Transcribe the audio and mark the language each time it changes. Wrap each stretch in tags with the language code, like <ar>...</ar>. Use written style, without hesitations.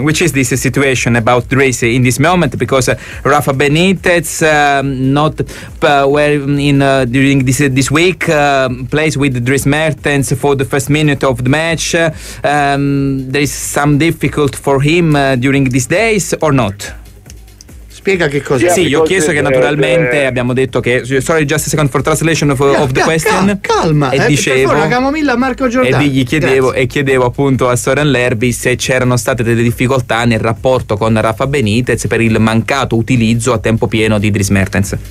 <en>Which is this situation about Dries in this moment? Because Rafa Benitez during this week plays with Dries Mertens for the first minute of the match. There is some difficult for him during these days or not?</en> <it>Spiega che cosa. Sì, io ho chiesto che naturalmente abbiamo detto che.</it> <en>Sorry, just a second for translation of the question.</en> <it>Calma. E dicevo. Per favore, camomilla a Marco Giordano. E gli chiedevo appunto a Soren Lerby se c'erano state delle difficoltà nel rapporto con Rafa Benitez per il mancato utilizzo a tempo pieno di Dries Mertens.</it>